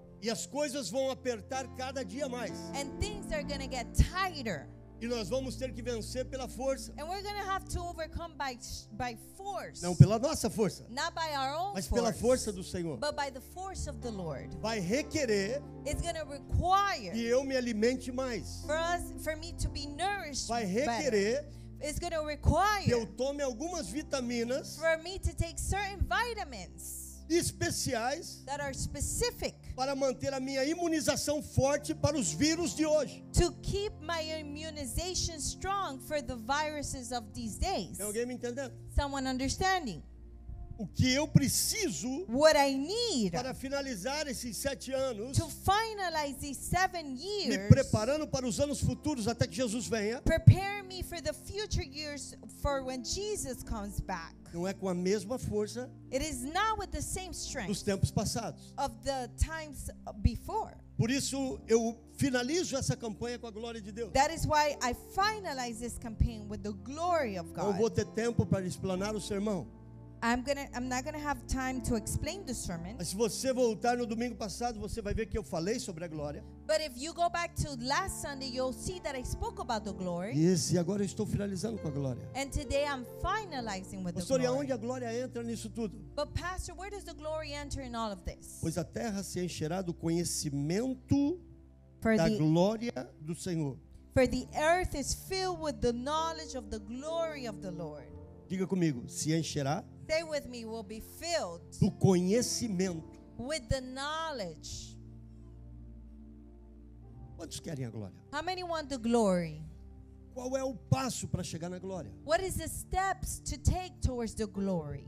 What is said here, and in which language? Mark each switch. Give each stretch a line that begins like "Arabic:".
Portuguese: E as coisas vão apertar cada dia mais.
English: And things are going to get tighter.
Portuguese: E nós vamos ter que vencer pela força.
English: And we're going to have to overcome by force.
Portuguese: Não pela nossa força.
English: Not by our own
Portuguese: mas pela força do Senhor.
English: But by the force of the Lord.
Portuguese: Vai requerer.
English: It's going to require.
Portuguese: Que eu me alimente mais.
English: For me to be nourished.
Portuguese: Vai requerer.
English: Better. It's going to require.
Portuguese: Que eu tome algumas vitaminas.
English: For me to take certain vitamins.
Portuguese: Especiais.
English: That are specific.
Portuguese: Para manter a minha imunização forte para os vírus de hoje.
English: To keep my immunization strong for the viruses of these days.
Portuguese: Tem alguém me entendendo?
English: Someone understanding?
Portuguese: O que eu preciso?
English: What I need?
Portuguese: Para finalizar esses 7 anos.
English: To finalize these 7 years.
Portuguese: Me preparando para os anos futuros até que Jesus venha.
English: Prepare me for the future years for when Jesus comes back.
Portuguese: Não é com a mesma força.
English: It is not with the same strength.
Portuguese: Dos tempos passados.
English: Of the times before.
Portuguese: Por isso eu finalizo essa campanha com a glória de Deus.
English: That is why I finalize this campaign with the glory of God.
Portuguese: Eu vou ter tempo para explanar o sermão.
English: I'm not going to have time to explain the sermon.
Portuguese: Mas se você voltar no domingo passado, você vai ver que eu falei sobre a glória.
English: But if you go back to last Sunday, you'll see that I spoke about the glory.
Portuguese: E agora eu estou finalizando com a glória.
English: And today I'm finalizing with pastor, the glory.
Portuguese: Onde a glória entra nisso tudo?
English: But pastor, where does the glory enter in all of this?
Portuguese: Pois a terra se encherá do conhecimento da glória do Senhor.
English: For the earth is filled with the knowledge of the glory of the Lord.
Portuguese: Diga comigo, se encherá.
English: Stay with me, will be filled
Portuguese: do conhecimento.
English: With the knowledge.
Portuguese: Quantos querem a glória?
English: How many want the glory?
Portuguese: Qual é o passo para chegar na glória?
English: What is the steps to take towards the glory?